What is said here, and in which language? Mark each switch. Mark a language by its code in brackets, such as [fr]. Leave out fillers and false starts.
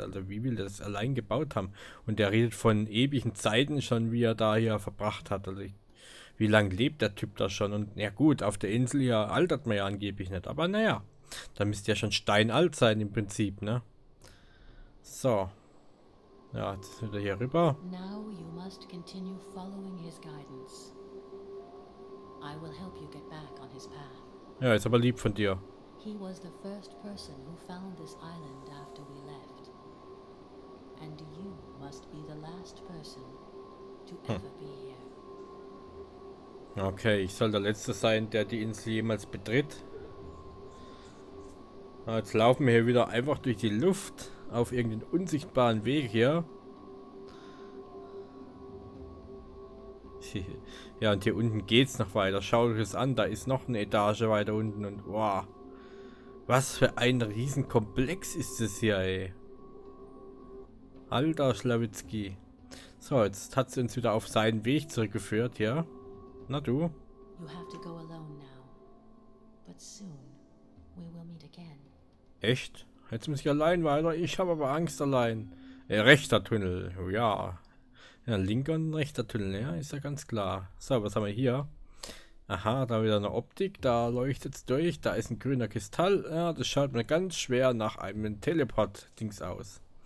[de] Also wie will er das allein gebaut haben? Und er redet von ewigen Zeiten schon, wie er da hier verbracht hat. Also wie lange lebt der Typ da schon? Und na gut, auf der Insel hier altert man ja angeblich nicht. Aber naja, da müsste ja schon steinalt sein im Prinzip, ne? So. Ja, jetzt ist wieder hier rüber. [en] Now you must continue following his guidance. I will help you get back on his path. [de] Ja, ist aber lieb von dir. [en] He was the first person who found this island after we left. And you must be the last person to ever be here. [de] Okay, ich soll der Letzte sein, der die Insel jemals betritt. Ja, jetzt laufen wir hier wieder einfach durch die Luft. Auf irgendeinen unsichtbaren Weg hier. Ja, und hier unten geht's noch weiter. Schau euch das an, da ist noch eine Etage weiter unten. Und wow. Was für ein Riesenkomplex ist das hier, ey. Alter Schlawitzki. So, jetzt hat sie uns wieder auf seinen Weg zurückgeführt, ja. Na du. [en] You have to go alone now. But soon we will meet again. [de] Echt? Jetzt muss ich allein weiter. Ich habe aber Angst allein. Rechter Tunnel. Ja. Ja, linker und rechter Tunnel. Ja, ist ja ganz klar. So, was haben wir hier? Aha, da wieder eine Optik. Da leuchtet es durch. Da ist ein grüner Kristall. Ja, das schaut mir ganz schwer nach einem Teleport-Dings aus.